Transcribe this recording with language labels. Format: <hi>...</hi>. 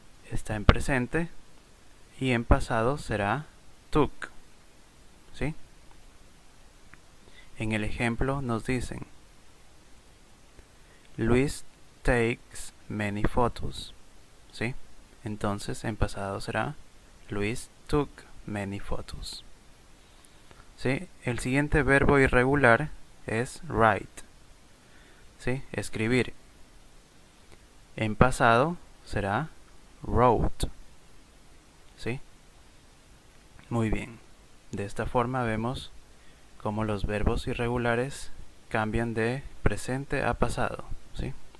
<es>Está en presente y en pasado será took. ¿Sí? En el ejemplo nos dicen:</es> <en>Luis takes many photos.</en> <es>¿Sí? Entonces en pasado será</es> <en>Luis took many photos.</en> <es>¿Sí? El siguiente verbo irregular es write. ¿Sí? Escribir. En pasado será wrote. ¿Sí? Muy bien. De esta forma vemos cómo los verbos irregulares cambian de presente a pasado. ¿Sí?</es>